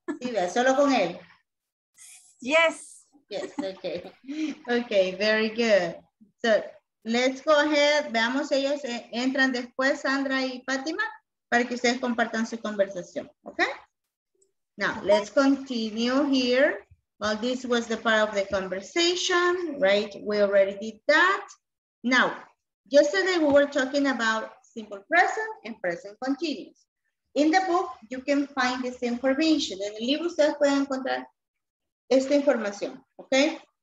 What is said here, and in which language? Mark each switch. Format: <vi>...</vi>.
<es>Sí, solo con él.</es> <en>Yes. Yes, ok. Ok, very good. So, let's go ahead,</en> <es>veamos si ellos entran después, Sandra y Fátima, para que ustedes compartan su conversación, okay?</es> <en>Now, let's continue here. Well, this was the part of the conversation, right? We already did that. Now, yesterday we were talking about simple present and present continuous. In the book, you can find this information.</en> <es>En el libro ustedes pueden encontrar esta información, okay?</es>